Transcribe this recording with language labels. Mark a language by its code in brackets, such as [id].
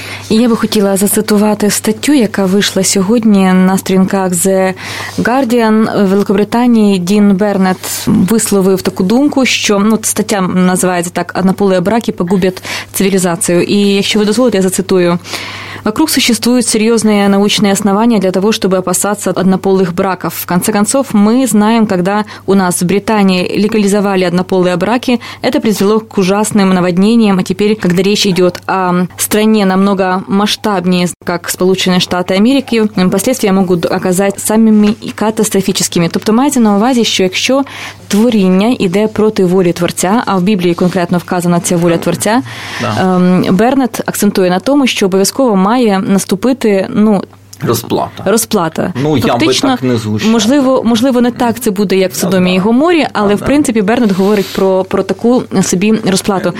[uk] Я би хотіла зацитувати статтю, яка вийшла сьогодні на сторінках The Guardian в Великобританії. Дін Бернет висловив таку думку, що стаття називається так: «Анаполія браки погубять цивілізацію». І якщо ви дозволите, я зацитую. [ru] Вокруг существуют серьезные научные основания для того, чтобы опасаться однополых браков. В конце концов, мы знаем, когда у нас в Британии легализовали однополые браки, это привело к ужасным наводнениям, а теперь, когда речь идет о стране намного масштабнее, как сполученные Штаты Америки, последствия могут оказать самыми катастрофическими. [uk] Тобто мається на увазі, що якщо творіння йде проти волі Творця, а в Біблії конкретно вказана ця воля Творця, Бернет акцентує на тому, що обов'язково має наступити, Розплата. Ну, фактично, я би так не згущав. Можливо, не так це буде, як в Содомі і Гоморі, але, в принципі, Бернет говорить про таку собі розплату.